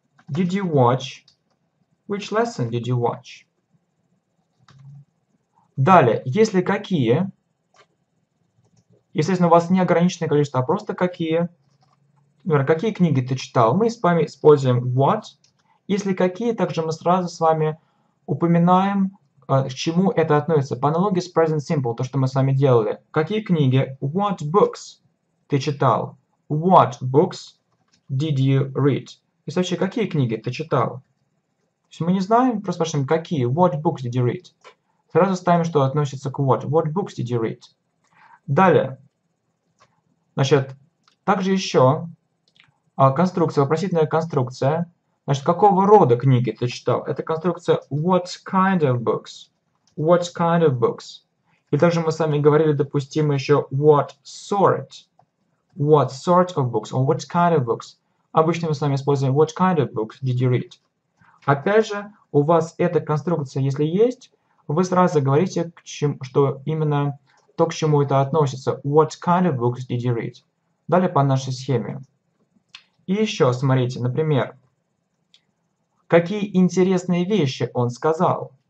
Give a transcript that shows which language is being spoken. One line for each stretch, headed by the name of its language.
English: Did you watch? Which lesson did you watch?
Russian: Далее, если какие, естественно, у вас не ограниченное количество, а просто какие. Например, какие книги ты читал, мы с вами используем what. Если какие, также мы сразу с вами упоминаем, к чему это относится. По аналогии с present simple, то, что мы с вами делали. Какие книги,
English: what books
Russian: ты читал,
English: what books did you read.
Russian: И вообще, какие книги ты читал. То есть мы не знаем, просто спрашиваем, какие,
English: what books did you read.
Russian: Сразу ставим, что относится к what.
English: What books did you read?
Russian: Далее. Значит, также еще конструкция, вопросительная конструкция. Значит, какого рода книги ты читал? Это конструкция
English: what kind of books. What kind of books.
Russian: И также мы с вами говорили, допустим, еще
English: what sort. What sort of books or what kind of books.
Russian: Обычно мы с вами используем
English: what kind of books did you read.
Russian: Опять же, у вас эта конструкция, если есть, вы сразу говорите, к чему, что именно то, к чему это относится.
English: What kind of books did you read?
Russian: Далее по нашей схеме. И еще, смотрите, например, какие интересные вещи он сказал.